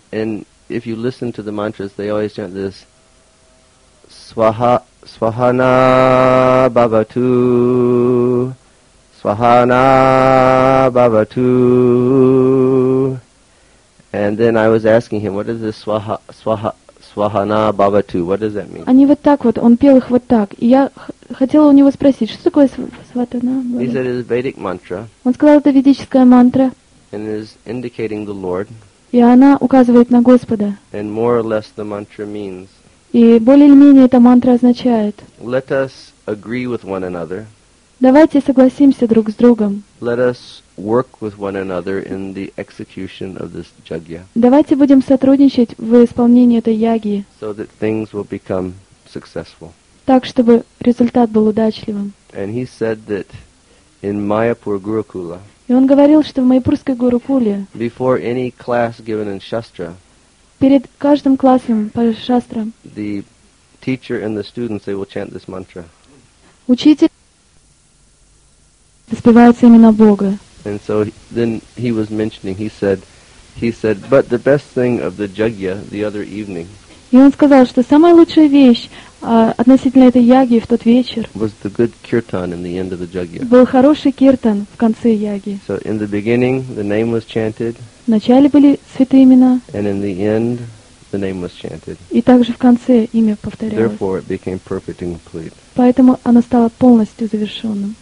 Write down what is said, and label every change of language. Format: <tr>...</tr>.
<en>And if you listen to the mantras, they always chant this.</en> <sa>Swaha, swahana bhavatu, swahana bhavatu.</sa> <en>And then I was asking him, what is this swahana bhavatu? What does that mean?</en> <ru>Они вот так вот, он пел их вот так. И я хотела у него спросить, что такое свахана</ru> <en>бхавату? He said it's a Vedic mantra.</en> <ru>Он сказал, это ведическая мантра.</ru> <en>And is indicating the Lord.</en> <ru>И она указывает на Господа.</ru> <en>And more or less the mantra means.</en> <ru>И более или менее эта мантра означает.</ru> <en>Let us agree with one another.</en> <ru>Давайте согласимся друг с другом.</ru> <en>Let us work with one another in the execution of this jagya.</en> <ru>Давайте будем сотрудничать в исполнении этой яги.</ru> <en>So that things will become successful.</en> <ru>Так, чтобы результат был удачливым.</ru> <en>And he said that in Mayapur Gurukula.</en> <ru>И он говорил, что в Майпурской Гурукуле.</ru> <en>Before any class given in Shastra.</en> <ru>Перед каждым классом по шастрам.</ru> <en>The teacher and the students, they will chant this mantra.</en> <ru>Учитель воспевается именно Бога.</ru> <en>And so then he was mentioning, he said, but the best thing of the jagya the other evening.</en> <ru>И он сказал, что самая лучшая вещь относительно этой яги в тот вечер.</ru> <en>Was the good kirtan in the end of the jagya.</en> <ru>Был хороший киртан в конце яги.</ru> <en>So in the beginning, the name was chanted.</en> <ru>Вначале были святые имена.</ru> <en>And in the end, the name was chanted.</en> <ru>И также в конце имя повторялось.</ru> <en>Therefore, it became perfect and complete.</en> <ru>Поэтому оно стало полностью завершенным.</ru>